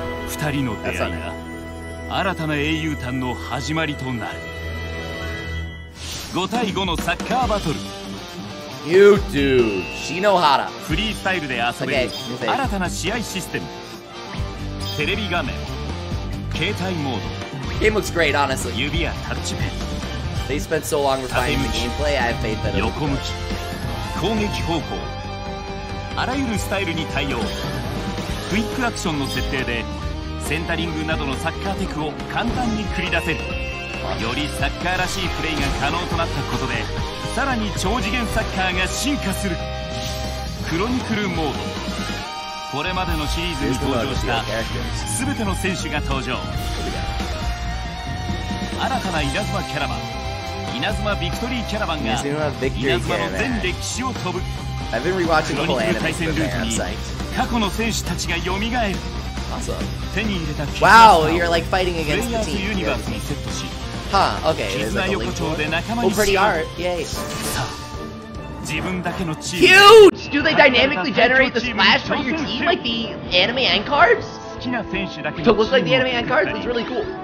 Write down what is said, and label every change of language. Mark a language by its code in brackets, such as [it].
[ja] 二人の出会いが新たな英雄譚の始まりとなる。 5対5のサッカーバトル。 YouTube Shinohara. フリースタイルで遊べる新たな試合システム。テレビ画面、携帯モード。 [en] Game looks great, honestly. They spent so long refining the gameplay, I have faith that it'll be good. [ja] 横向き、攻撃方向、あらゆるスタイルに対応。クイックアクションの設定で、センタリングなどのサッカーテクを簡単に繰り出せる。よりサッカーらしいプレイが可能となったことで、さらに超次元サッカーが進化する。クロニクルモード。これまでのシリーズに登場した、すべての選手が登場。新たな稲妻キャラバン、稲妻ビクトリーキャラバンが稲妻の全歴史を飛ぶ。クロニクル対戦ルートに過去の選手たちが蘇る。 [en] Awesome. [ja] 手に入れたキャラバンをプレイヤーズユニバースにセットし、絆横丁で仲間にしよう。さあ、自分だけのチーム。 [en] Huge! Do they dynamically generate the splash from your team like the anime end cards? [ja] 好きな選手だけのチーム。 [en] To look like the anime end cards? It's really cool.